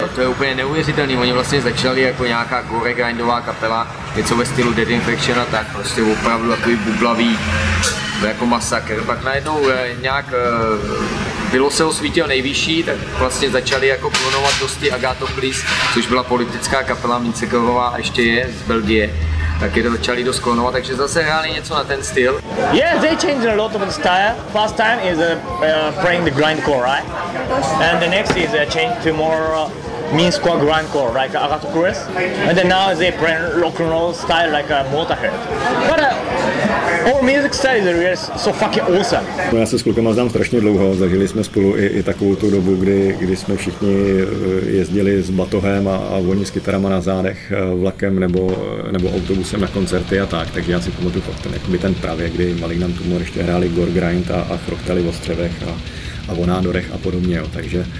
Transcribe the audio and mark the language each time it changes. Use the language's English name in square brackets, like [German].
[Czech] To je úplně neuvěřitelný, oni vlastně začali jako nějaká gore grindová kapela, něco ve stylu Dead Infection a tak, prostě opravdu takový bublavý jako masakr. Pak najednou nějak bylo se osvítil nejvyšší, tak vlastně začali jako klonovat dosti Agathoklis, což byla politická kapela Mincekrvová a ještě je z Belgie. Tak je začali dost klonovat, takže zase hráli něco na ten styl. [English] Yes, they changed a lot of the style. First time is playing the grindcore, right? And the next is change to more Minsko grindcore, like Agathoklis. And then now they play rock and roll style like Motorhead. But our music style is really so fucking awesome. [Czech] Já se s klukama znám strašně dlouho, zažili jsme spolu i takovou tu dobu, kdy jsme všichni jezdili s batohem a oni s kytarama na zádech vlakem nebo autobusem na koncerty a tak, takže já si pamatuju fakt ten, jakoby ten právě, kdy Malignant Tumor ještě hráli gore grind a chrochtali o střevech a o nádorech a podobně, jo, takže...